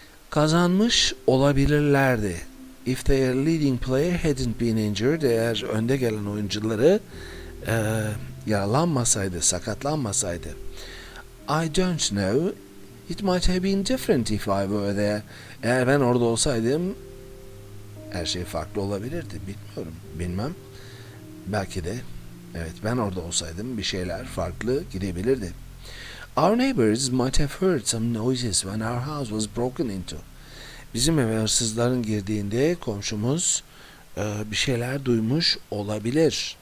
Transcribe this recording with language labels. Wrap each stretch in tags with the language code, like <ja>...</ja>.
<tr>Kazanmış olabilirlerdi.</tr> <en>If their leading player hadn't been injured,</en> <tr>eğer önde gelen oyuncuları yaralanmasaydı, sakatlanmasaydı.</tr> <en>I don't know. It might have been different if I were there.</en> <tr>Eğer ben orada olsaydım, her şey farklı olabilirdi. Bilmiyorum, bilmem. Belki de, evet, ben orada olsaydım bir şeyler farklı gidebilirdi.</tr> <en>Our neighbors might have heard some noises when our house was broken into.</en> <tr>Bizim eve hırsızların girdiğinde komşumuz bir şeyler duymuş olabilir.</tr>